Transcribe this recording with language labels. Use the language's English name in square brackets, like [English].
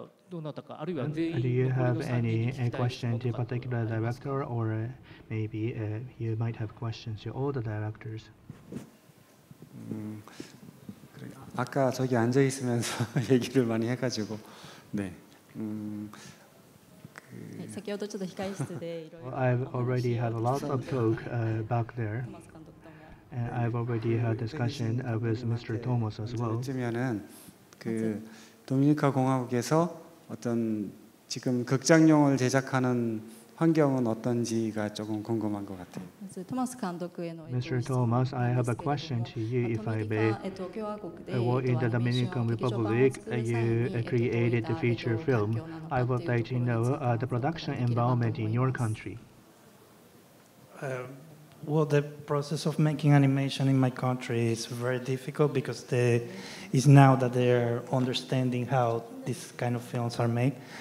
[English] Do you have any question to a particular director, or maybe you might have questions to all the directors? [Korean] 아까 저기 앉아 있으면서 얘기를 많이 해가지고 네. [English] I've already had a lot of talk back there, and I've already had discussion with Mr. Thomas as well. [Korean] 어쩌면은 그 도미니카 공화국에서 어떤 지금 극장용을 제작하는 환경은 어떤지가 조금 궁금한 것 같아요. [English] Mr. Thomas, I have a question to you, if I may. Well, in the Dominican Republic, you created the feature film. I would like to know the production environment in your country. Well, the process of making animation in my country is very difficult because it's now that they're understanding how these kind of films are made.